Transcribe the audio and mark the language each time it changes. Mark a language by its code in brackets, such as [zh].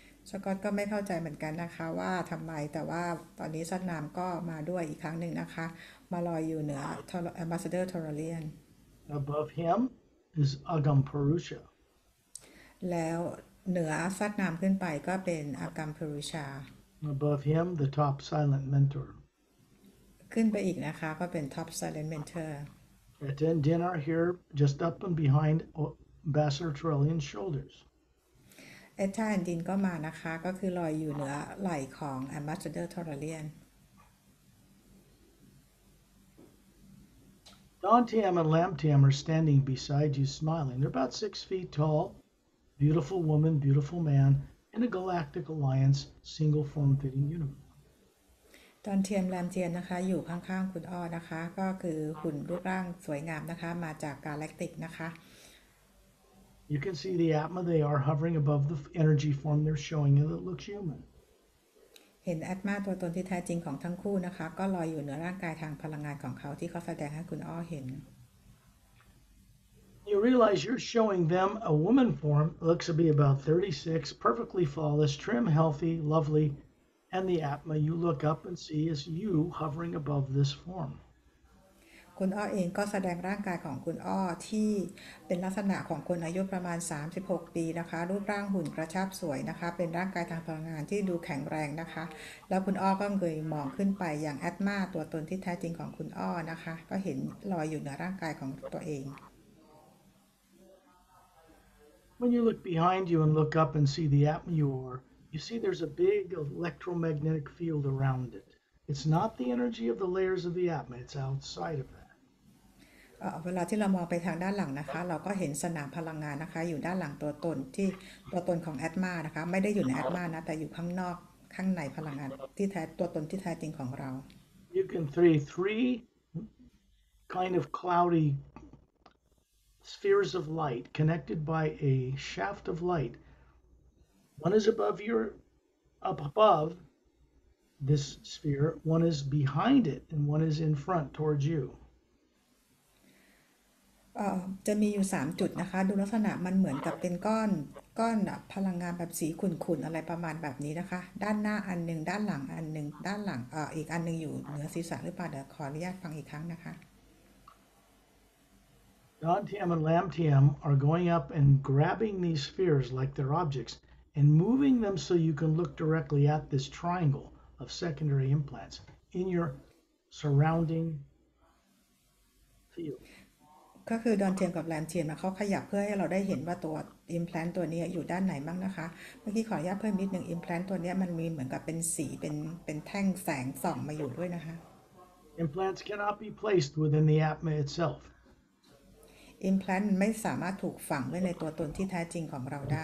[th] สกอตก็ไม่เข้าใจเหมือนกันนะคะว่าทำไมแต่ว่าตอนนี้สัตนามก็มาด้วยอีกครั้งหนึ่งนะคะมาลอยอยู่เหนือ Ambassador Torrellian [en] Above him is Agam Purusha. [th] แล้วเหนือสัตนามขึ้นไปก็เป็นอากัมพุรุชา [en] Above him, the top silent mentor. [th] ขึ้นไปอีกนะคะก็เป็น top silent mentor. [en] Attend dinner here, just up and behind Ambassador Torrellian's shoulders. [th] เอท่านดินก็มานะคะก็คือลอยอยู่เหนือไหล่ของ Ambassador Torrellian [en] Don Tam and Lam Tam are standing beside you smiling. They're about 6 feet tall, beautiful woman, beautiful man, in a galactic alliance, single form fitting uniform. [th] ดอนเทียมแลมเทียมนะคะอยู่ข้างๆคุณอ้อนะคะก็คือหุ่นรูปร่างสวยงามนะคะมาจากกาแล็กติกนะคะ [en] You can see the Atma they are hovering above the energy form they're showing you that looks human. [th] เห็นแอตมาตัวตนที่แท้จริงของทั้งคู่นะคะก็ลอยอยู่เหนือร่างกายทางพลังงานของเขาที่เขาแสดงให้คุณอ้อเห็น [en] You realize you're showing them a woman form looks to be about 36, perfectly flawless, trim, healthy, lovely, and the Atma you look up and see is you hovering above this form. [th] คุณอ้อเองก็แสดงร่างกายของคุณอ้อที่เป็นลักษณะของคนอายุประมาณ36ปีนะคะรูปร่างหุ่นกระชับสวยนะคะเป็นร่างกายทางพลังงานที่ดูแข็งแรงนะคะแล้วคุณอ้อก็เงยมองขึ้นไปอย่างแอตมาตัวตนที่แท้จริงของคุณอ้อนะคะก็เห็นลอยอยู่เหนือร่างกายของตัวเอง [en] When you look behind you and look up and see the Atma you are, you see there's a big electromagnetic field around it. It's not the energy of the layers of the Atma, it's outside of that. [th] เวลาที่เรามองไปทางด้านหลังนะคะเราก็เห็นสนามพลังงานนะคะอยู่ด้านหลังตัวตนที่ตัวตนของแอตมานะคะไม่ได้อยู่ในแอตมานะแต่อยู่ข้างนอกข้างในพลังงานที่แท้ตัวตนที่แท้จริงของเรา [en] You can see three kind of cloudy spheres of light connected by a shaft of light. One is above your up above this sphere, one is behind it, and one is in front towards you. [th] จะมีอยู่3จุดนะคะดูลักษณะมันเหมือนกับเป็นก้อนพลังงานแบบสีขุ่นๆอะไรประมาณแบบนี้นะคะด้านหน้าอันนึงด้านหลังอันนึงด้านหลังอีกอันนึงอยู่เหนือศีรษะหรือเปล่าเดี๋ยวขออนุญาตฟังอีกครั้งนะคะ [en] Don Tiam and Lam Tiam are going up and grabbing these spheres like they're objects and moving them so you can look directly at this triangle of secondary implants in your surrounding field [th] ก็คือดอนเทียมกับแลมเทียมนะเขาขยับเพื่อให้เราได้เห็นว่าตัวอิมแพลนต์ตัวนี้อยู่ด้านไหนบ้างนะคะเมื่อกี้ขออนุญาตเพิ่มนิดหนึ่งอิมแพลนต์ตัวนี้มันมีเหมือนกับเป็นสีเป็นแท่งแสงส่องมาอยู่ด้วยนะคะ [en] Implants cannot be placed within the Atma itself [th] อิมแพลนต์ไม่สามารถถูกฝังไว้ในตัวตนที่แท้จริงของเราได